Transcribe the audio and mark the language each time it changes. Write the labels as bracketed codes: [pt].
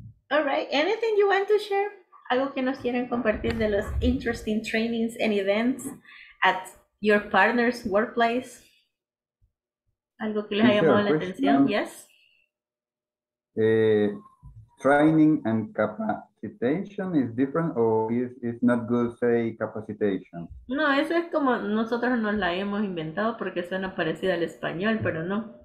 [en] All right, anything you want to share? [es] Algo que nos quieren compartir de los [en] interesting trainings and events at your partner's workplace? [es] Algo que les haya llamado la atención, [en] yes? Training and capacitation is different or is it not good to say capacitation? [es] No, eso es como nosotros nos la hemos inventado porque suena parecido al español, pero no.